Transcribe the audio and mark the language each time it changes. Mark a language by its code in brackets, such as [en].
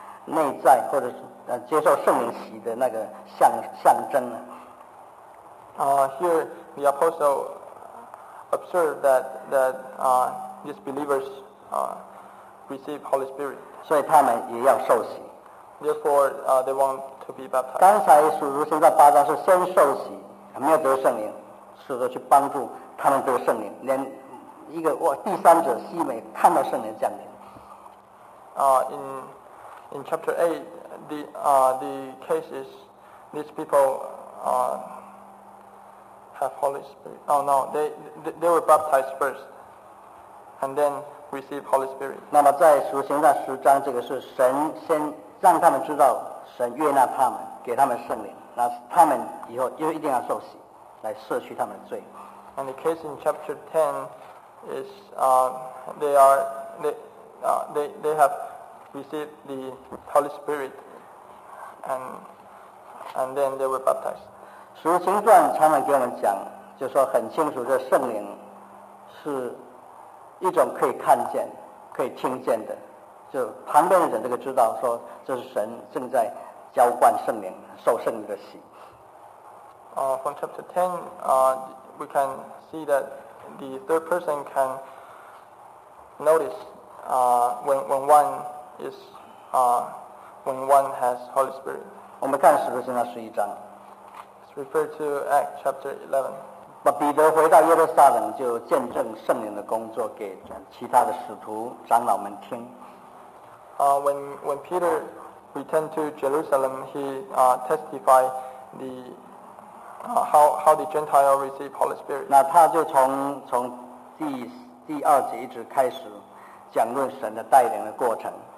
[zh] 内在或者是接受圣灵洗的那个象征呢？ [en] Here the apostle observed that these believers receive Holy Spirit. [zh] 所以他们也要受洗。 [en] Therefore, they want to be baptized. [zh] 刚才使徒行传八章是先受洗，没有得圣灵，使徒去帮助他们得圣灵，连一个第三者西美看到圣灵降临。 [en] In chapter 8, the case is these people have Holy Spirit. Oh no, they were baptized first, and then received Holy Spirit. [zh] 那么在使徒行传十章，这个是神先让他们知道神悦纳他们，给他们圣灵，那他们以后又一定要受洗，来赦去他们的罪。 [en] And the case in chapter 10 is they have received the Holy Spirit, and then they were baptized. [zh] 使徒行传常常给我们讲，就说很清楚，这圣灵是一种可以看见、可以听见的。就旁边的人这个知道说这是神正在浇灌圣灵受圣灵的洗。 [en] From chapter 10, we can see that the third person can notice when one has Holy Spirit. [zh] 我们看使徒行传十一章。 [en] It's referred to Acts chapter 11. [zh] 把彼得回到耶路撒冷就见证圣灵的工作给其他的使徒长老们听。 [en] When Peter returned to Jerusalem, he testified the how the Gentile received Holy Spirit. [zh] 那他就从第二节一直开始讲论神的带领的过程。